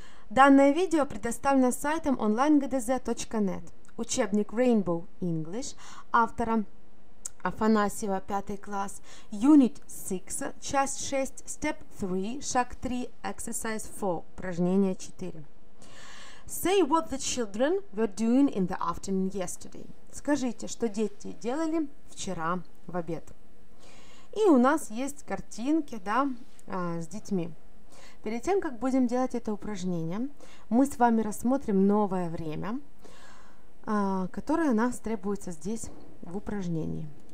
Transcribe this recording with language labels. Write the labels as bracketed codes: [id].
[ru] Данное видео предоставлено сайтом onlinegdz.net. Учебник Rainbow English автора Афанасьева, 5 класс. Unit 6, часть 6, step 3, шаг 3, exercise 4, упражнение 4. [en] Say what the children were doing in the afternoon yesterday. [ru] Скажите, что дети делали вчера в обед. И у нас есть картинки, да, с детьми. Перед тем, как будем делать это упражнение, мы с вами рассмотрим новое время, которое нам требуется здесь в упражнении.